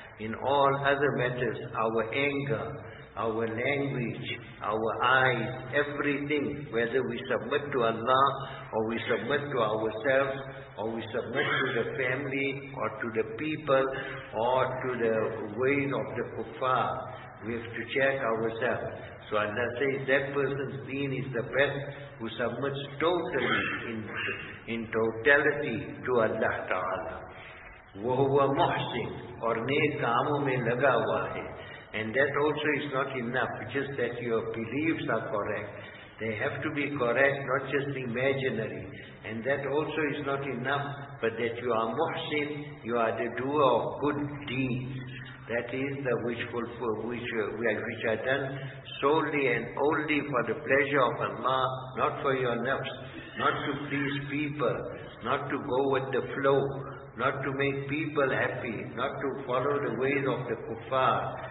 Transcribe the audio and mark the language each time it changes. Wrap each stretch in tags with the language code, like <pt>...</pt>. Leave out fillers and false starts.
<en>In all other matters, our anger, our language, our eyes, everything, whether we submit to Allah or we submit to ourselves or we submit to the family or to the people or to the way of the kuffar, we have to check ourselves. So Allah says that person's deen is the best who submits totally in totality to Allah Ta'ala.</en> <ar>وَهُوَ مُحْسِنْ</ar> <ur>اور نیک کاموں میں لگا ہوا ہے.</ur> <en>And that also is not enough, just that your beliefs are correct. They have to be correct, not just imaginary. And that also is not enough, but that you are muhsin, you are the doer of good deeds. That is the which are done solely and only for the pleasure of Allah, not for your nafs, not to please people, not to go with the flow, not to make people happy, not to follow the ways of the kuffar.</en>